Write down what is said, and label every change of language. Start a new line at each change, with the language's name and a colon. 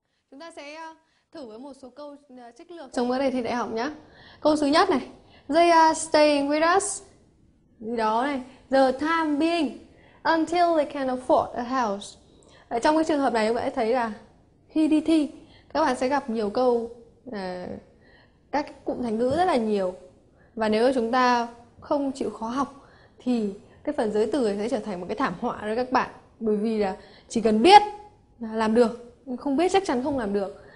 Vietnamese: Chúng ta sẽ thử với một số câu trích lược trong bữa này thi đại học nhé. Câu thứ nhất này,
English: they are staying with us.
Vietnamese: Gì đó này,
English: the time being until they can afford a house.
Vietnamese: Ở trong cái trường hợp này các bạn sẽ thấy là khi đi thi các bạn sẽ gặp nhiều câu các cụm thành ngữ rất là nhiều, và nếu chúng ta không chịu khó học thì cái phần giới từ sẽ trở thành một cái thảm họa đấy các bạn, bởi vì là chỉ cần biết là làm được, không biết chắc chắn không làm được.